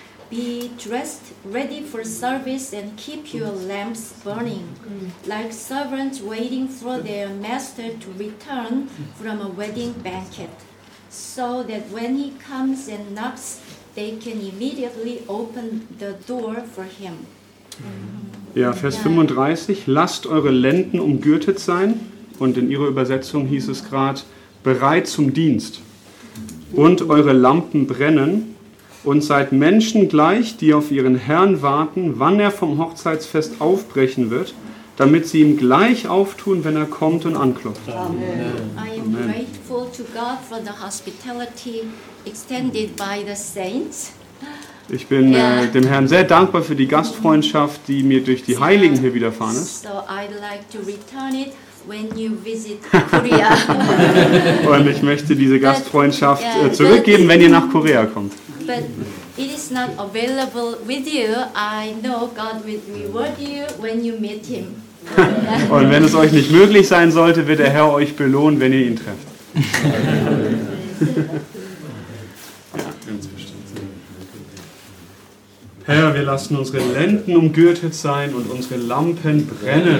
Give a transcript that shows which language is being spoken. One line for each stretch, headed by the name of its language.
English: Be dressed ready for service and keep your lamps burning, like servants waiting for their master to return from a wedding banquet, so that when he comes and knocks, they can immediately open the door for him.
German: Ja, Vers 35, lasst eure Lenden umgürtet sein, und in ihrer Übersetzung hieß es gerade, bereit zum Dienst, und eure Lampen brennen, und seid Menschen gleich, die auf ihren Herrn warten, wann er vom Hochzeitsfest aufbrechen wird, damit sie ihm gleich auftun, wenn er kommt und anklopft.
English: Amen. I am grateful to God for the hospitality extended by the saints.
German: Ich bin dem Herrn sehr dankbar für die Gastfreundschaft, die mir durch die Heiligen hier widerfahren ist.
English: So I'd like to return it when you visit Korea.
German: Und ich möchte diese Gastfreundschaft zurückgeben, wenn ihr nach Korea kommt.
English: But it is not available with you. I know God will reward you when you meet him.
German: Und wenn es euch nicht möglich sein sollte, wird der Herr euch belohnen, wenn ihr ihn trefft. Ja, ganz bestimmt. Herr, wir lassen unsere Lenden umgürtet sein und unsere Lampen brennen.